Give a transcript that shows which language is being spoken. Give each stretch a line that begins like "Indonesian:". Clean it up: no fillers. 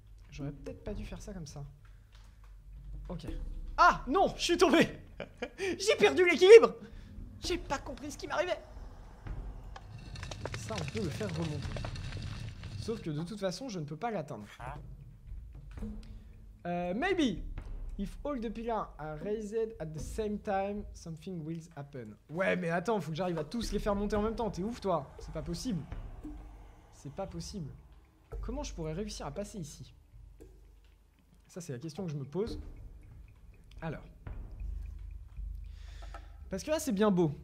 French: J'aurais peut-être pas dû faire ça comme ça. Ok. Ah non, je suis tombé. J'ai perdu l'équilibre. J'ai pas compris ce qui m'arrivait. Ça, on peut le faire remonter. Sauf que de toute façon, je ne peux pas l'atteindre.
English: Maybe if all the pillars are raised at the same time, something will happen.
French: Ouais, mais attends, faut que j'arrive à tous les faire monter en même temps. T'es ouf, toi. C'est pas possible. C'est pas possible. Comment je pourrais réussir à passer ici? Ça, c'est la question que je me pose. Alors. Parce que là, c'est bien beau.